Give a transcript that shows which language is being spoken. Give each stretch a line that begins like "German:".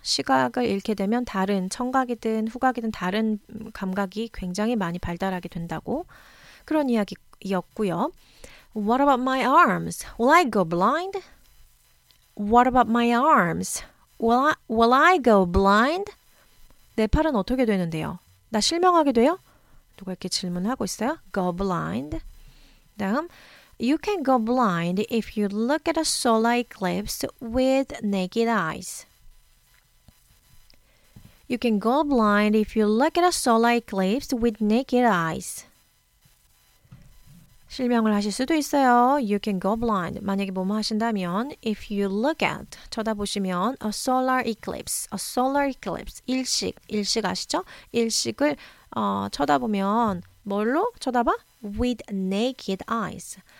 Korean: 시각을 잃게 되면 다른 청각이든 후각이든 다른 감각이 굉장히 많이 발달하게 된다고 그런 이야기였고요.
English: What about my arms? Will I go blind? What about my arms? Will I go blind?
Korean: 내 팔은 어떻게 되는데요? 나 실명하게 돼요? 누가 이렇게 질문하고 있어요?
English: Go blind.
Korean: 다음,
English: You can go blind if you look at a solar eclipse with naked eyes. You can go blind if you look at a solar eclipse with naked eyes.
Korean: 실명을 하실 수도 있어요.
English: You can go blind.
Korean: 만약에 뭐뭐 하신다면
English: If you look at,
Korean: 쳐다보시면
English: A solar eclipse, a solar eclipse.
Korean: 일식, 일식 아시죠? 일식을 쳐다보면 뭘로 쳐다봐?
English: With naked eyes.